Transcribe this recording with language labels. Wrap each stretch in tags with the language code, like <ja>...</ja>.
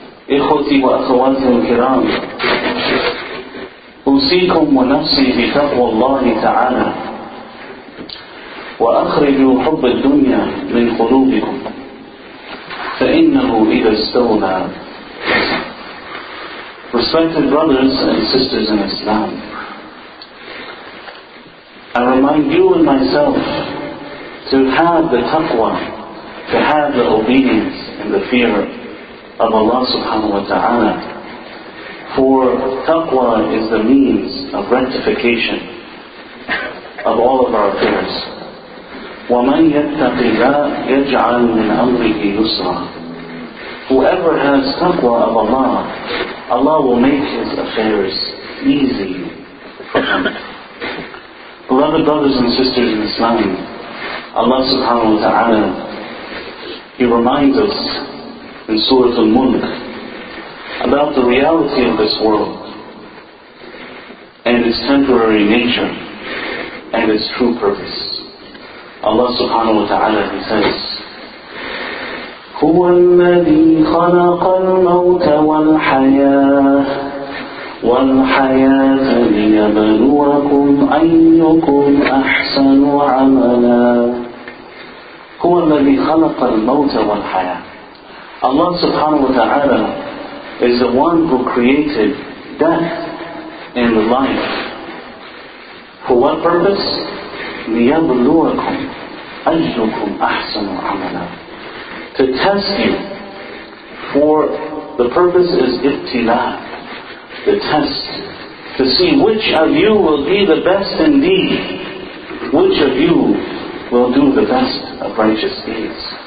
<ar>إخوتي وأخواتي الكرام, أوصيكم ونفسي بتقوى الله تعالى وأخرجوا حب الدنيا من قلوبكم فإنه إذا استولى.</ar> <en>Respected brothers and sisters in Islam, I remind you and myself to have the taqwa, to have the obedience and the fear of Allah subhanahu wa ta'ala. For taqwa is the means of rectification of all of our affairs.</en> <ar>وَمَنْ يَتَّقِ لَا يَجْعَلْ مِنْ أَمْرِهِ يُسْرًا.</ar> <en>Whoever has taqwa of Allah, Allah will make his affairs easy for him. Beloved brothers and sisters in Islam, Allah subhanahu wa ta'ala, He reminds us in Surah Al-Mulk about the reality of this world and its temporary nature and its true purpose. Allah subhanahu wa ta'ala, He says,</en> <ar>هو الذي خلق الموت والحياة والحياة ليبلوكم أيكم أحسن عملا. هو الذي خلق الموت والحياة.</ar> <en>Allah subhanahu wa ta'ala is the one who created death and life. For what purpose?</en> <ar>ليبلوكم أيكم أحسن عملا.</ar> <en>To test you, for the purpose is ibtila, the test, to see which of you will be the best indeed, which of you will do the best of righteous deeds.</en>